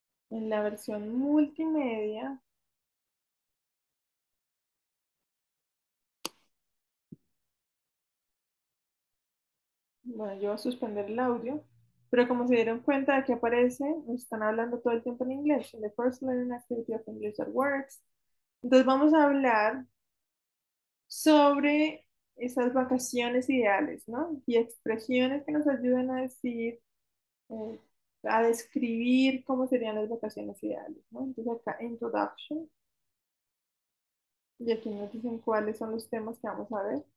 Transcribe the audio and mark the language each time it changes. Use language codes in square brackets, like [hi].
[es] En la versión multimedia, bueno, yo voy a suspender el audio, pero como se dieron cuenta, aquí aparece, están hablando todo el tiempo en inglés. [en] In the first learning activity of English at Works. [es] Entonces vamos a hablar sobre esas vacaciones ideales, ¿no? Y expresiones que nos ayuden a decir, a describir cómo serían las vacaciones ideales, ¿no? Entonces acá, introduction. Y aquí nos dicen cuáles son los temas que vamos a ver.